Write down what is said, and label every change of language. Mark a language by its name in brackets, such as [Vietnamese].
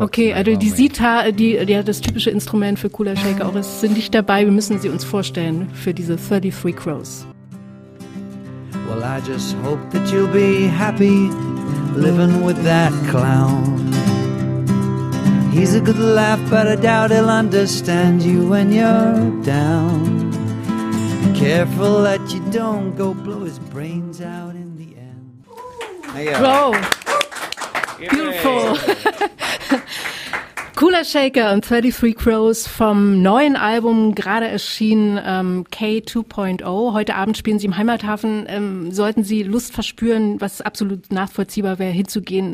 [German] Okay, also die Sitar, das typische Instrument für Kula Shaker, auch ist, sind nicht dabei. Wir müssen sie uns vorstellen für diese 33 Crows. [English] Well, I just hope that you'll be happy living with that clown. He's a good laugh, but I doubt he'll understand you when you're down. Be careful that you don't go blow his brains out in the end. Wow. Beautiful. [German] Kula Shaker und 33 Crows vom neuen Album, gerade erschienen, K2.0. Heute Abend spielen sie im Heimathafen. Sollten sie Lust verspüren, was absolut nachvollziehbar wäre, hinzugehen.